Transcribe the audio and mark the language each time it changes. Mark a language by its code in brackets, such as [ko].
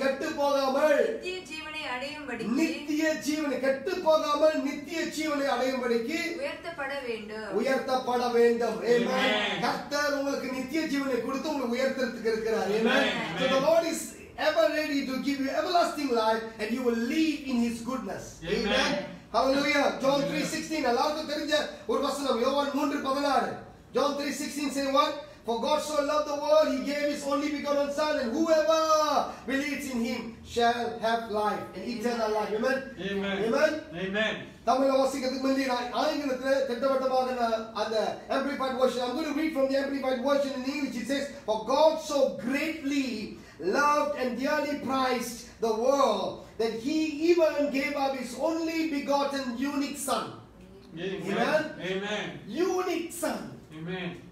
[ta] கெட்டு போகாமல் நித்திய ஜீவனை அடையும்படிக்கு உயர்த்தப்பட வேண்டும். ஆமென். கர்த்தர் உங்களுக்கு நித்திய ஜீவனை கொடுத்து உங்களை உயர்த்தறதுக்கு இருக்கிறார். ஆமென். [en] So the Lord is ever ready to give you everlasting life and you will live in His goodness. Amen. Hallelujah. John 3:16. [ta] எல்லாருக்கும் தெரிஞ்ச ஒரு வசனம், யோவான் 3:16. [en] John 3:16 say what? For God so loved the world, He gave His only begotten Son, and whoever believes in Him shall have life and eternal life. Amen. Amen. Amen. [ta] தமிழ வாசிக்கிறதுக்கு முந்தைய ஆங்கிலத்தில் திட்டவட்டமான அந்த amplified version. [en] I'm going to read from the amplified version in English. It says, For God so greatly loved and dearly prized the world that He even gave up His only begotten unique Son. Amen. Amen. Amen. Unique Son. Amen.